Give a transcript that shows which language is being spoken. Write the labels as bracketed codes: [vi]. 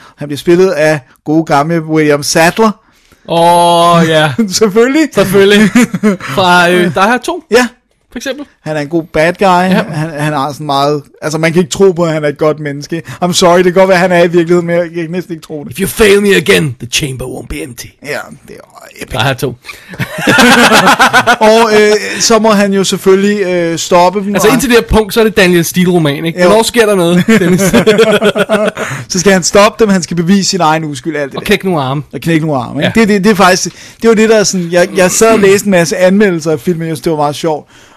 [da] Han bliver spillet af gode gamle William Sadler. Ja. Selvfølgelig. Selvfølgelig. Fra Die Hard 2. Ja. For eksempel. Han er en god bad guy. Ja. Han har sådan meget, altså man kan ikke tro på, at han er et godt menneske. [en] I'm sorry, [da] det kan godt være, at han er i virkeligheden, men jeg kan næsten ikke tro det. [en] If you fail me again, the chamber won't be empty. [da] Ja, det er epic. Der har to. Og så må han jo selvfølgelig stoppe. Altså indtil det her punkt, så er det Daniel Steele roman, ikke? Hvornår sker der noget, Dennis? Så skal han stoppe dem, han skal bevise sin egen uskyld, alt det og knække nogle arme. Og knække nogle arme, ikke? Ja. Det er faktisk, det var det der sådan, jeg sad og læste en masse anmeldelser af filmen, og det var meget sjovt.